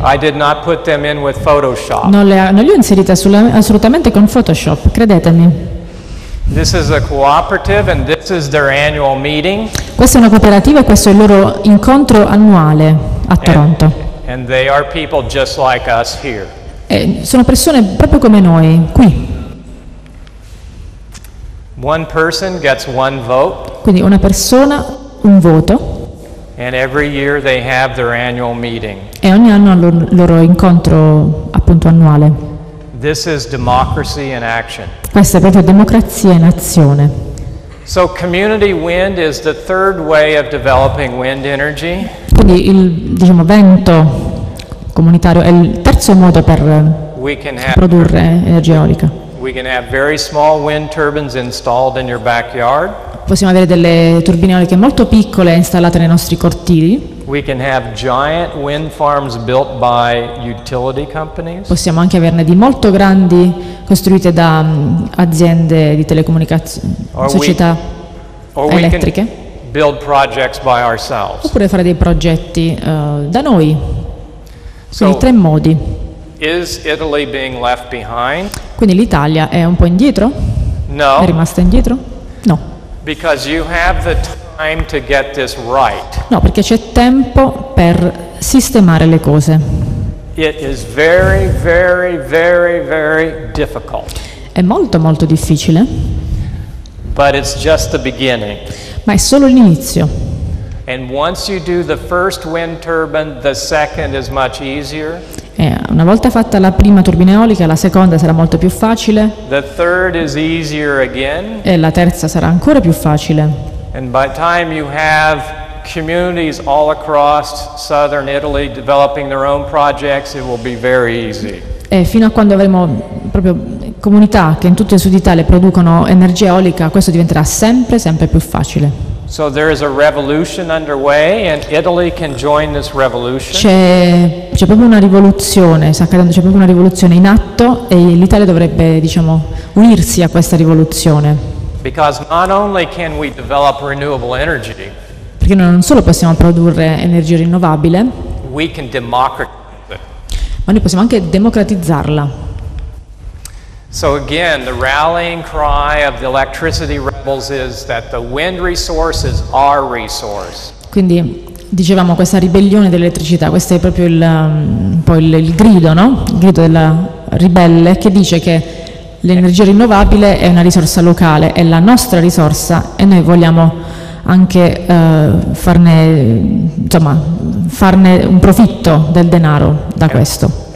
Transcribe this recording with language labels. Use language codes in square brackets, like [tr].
[en] I did not put them in with Photoshop. [it] Non le ho inserite assolutamente con Photoshop, credetemi. [en] This is a cooperative and this is their annual meeting. [it] Questa è una cooperativa e questo è il loro incontro annuale a Toronto. [en] And they are people just like us here. [it] E sono persone proprio come noi qui. [en] One person gets one vote. [it] Quindi una persona un voto. [en] And every year they have their annual meeting. [it] E ogni anno hanno il loro incontro appunto annuale. [en] This is democracy in action. [it] Questa è proprio democrazia in azione. [en] So community wind is the third way of developing wind energy. [it] Quindi il, diciamo, vento comunitario è il terzo modo per produrre energia eolica. [en] We can have very small wind turbines installed in your backyard. [it] Possiamo avere delle turbine eoliche molto piccole installate nei nostri cortili. [en] We can have giant wind farms built by utility companies. [it] Possiamo anche averne di molto grandi costruite da aziende di telecomunicazioni, società elettriche. [en] Build projects by ourselves. [it] Oppure fare dei progetti da noi. Quindi tre modi. [en] Is Italy being left behind? [it] Quindi l'Italia è un po' indietro? [en] No. [it] È rimasta indietro? No. [en] Because you have the time to get this right. [it] No, perché c'è tempo per sistemare le cose. [en] It is very, very, very, very difficult. [it] È molto, molto difficile. [en] But it's just the beginning. [it] Ma è solo l'inizio. [en] And once you do the first wind turbine, the second is much easier. [it] Una volta fatta la prima turbina eolica, la seconda sarà molto più facile. [en] The third is easier again. [it] E la terza sarà ancora più facile. [en] And by the time you have communities all across southern Italy developing their own projects, it will be very easy. [it] E fino a quando avremo proprio comunità che in tutto il sud Italia producono energia eolica, questo diventerà sempre, sempre più facile. [en] So there is a revolution underway and Italy can join this revolution. [it] C'è proprio una rivoluzione, sta accadendo, c'è proprio una rivoluzione in atto e l'Italia dovrebbe, diciamo, unirsi a questa rivoluzione. [en] Because not only can we develop renewable energy. [it] Perché noi non solo possiamo produrre energia rinnovabile. [en] We can democratize it. [it] Ma noi possiamo anche democratizzarla. [en] So again, the rallying cry of the electricity rebels is that the wind resource is our resource. [it] Quindi dicevamo questa ribellione dell'elettricità, questo è proprio il grido, no? Il grido della ribelle che dice che L'energia rinnovabile è una risorsa locale, è la nostra risorsa e noi vogliamo anche farne, insomma, farne un profitto del denaro da questo.